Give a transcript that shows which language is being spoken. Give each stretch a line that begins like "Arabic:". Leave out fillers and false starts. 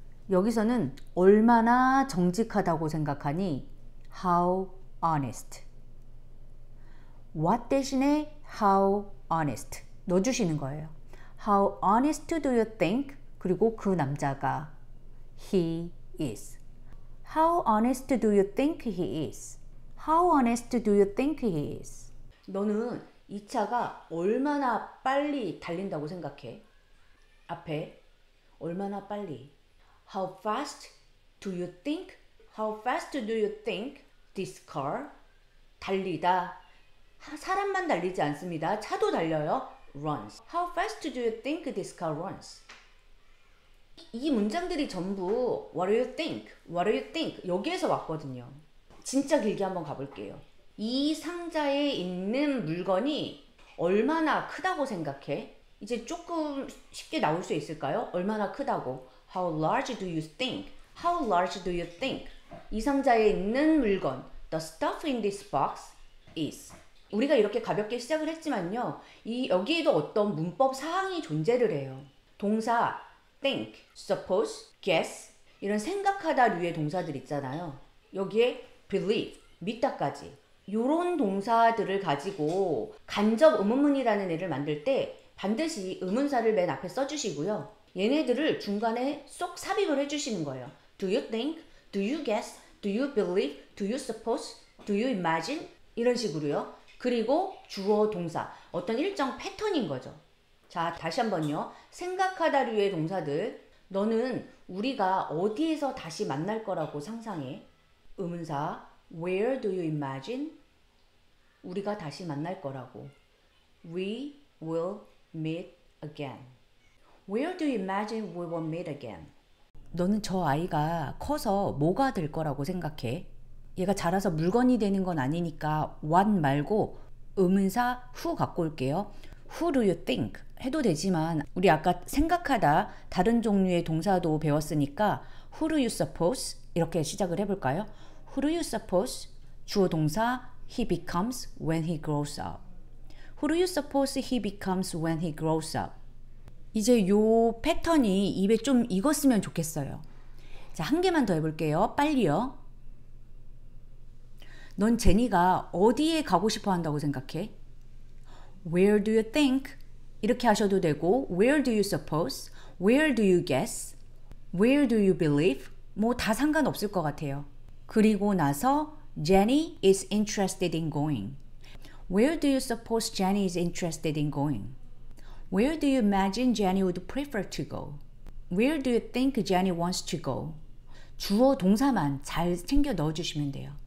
Korean: 여기서는 얼마나 정직하다고 생각하니?
English: How honest? What
Korean: 대신에
English: how honest
Korean: 넣어주시는 거예요.
English: How honest do you think?
Korean: 그리고 그 남자가
English: he is. How honest do you think he is? How honest do you think he is?
Korean: 너는 이 차가 얼마나 빨리 달린다고 생각해? 앞에 얼마나 빨리?
English: How fast do you think? How fast do you think this car
Korean: 달리다? 사람만 달리지 않습니다. 차도 달려요.
English: Runs. How fast do you think this car runs?
Korean: 이 문장들이 전부
English: What do you think? What do you think?
Korean: 여기에서 왔거든요. 진짜 길게 한번 가볼게요. 이 상자에 있는 물건이 얼마나 크다고 생각해? 이제 조금 쉽게 나올 수 있을까요? 얼마나 크다고?
English: How large do you think? How large do you think?
Korean: 이 상자에 있는 물건,
English: the stuff in this box is.
Korean: 우리가 이렇게 가볍게 시작을 했지만요. 여기에도 어떤 문법 사항이 존재를 해요. 동사, think, suppose, guess, 이런 생각하다 류의 동사들 있잖아요. 여기에 believe, 믿다까지. 요런 동사들을 가지고 간접 의문문이라는 애를 만들 때 반드시 의문사를 맨 앞에 써주시고요. 얘네들을 중간에 쏙 삽입을 해주시는 거예요.
English: Do you think? Do you guess? Do you believe? Do you suppose? Do you imagine?
Korean: 이런 식으로요. 그리고 주어, 동사. 어떤 일정 패턴인 거죠. 자, 다시 한번요. 생각하다류의 동사들. 너는 우리가 어디에서 다시 만날 거라고 상상해?
English: 의문사, where do you imagine?
Korean: 우리가 다시 만날 거라고.
English: We will meet again. Where do you imagine we will meet again?
Korean: 너는 저 아이가 커서 뭐가 될 거라고 생각해? 얘가 자라서 물건이 되는 건 아니니까 what 말고 의문사 who 갖고 올게요.
English: Who do you think?
Korean: 해도 되지만 우리 아까 생각하다 다른 종류의 동사도 배웠으니까
English: who do you suppose?
Korean: 이렇게 시작을 해볼까요?
English: Who do you suppose? 주어 동사 he becomes when he grows up. Who do you suppose he becomes when he grows up?
Korean: 이제 요 패턴이 입에 좀 익었으면 좋겠어요. 자, 한 개만 더 해볼게요. 빨리요. 넌 제니가 어디에 가고 싶어 한다고 생각해?
English: Where do you think?
Korean: 이렇게 하셔도 되고,
English: Where do you suppose? Where do you guess? Where do you believe?
Korean: 뭐다상관없을것같아요그리고나서
English: Jenny is interested in going. Where do you suppose Jenny is interested in going? Where do you imagine Jenny would prefer to go? Where do you think Jenny wants to go?
Korean: 주어 동사만 잘 챙겨 넣어 주시면 돼요.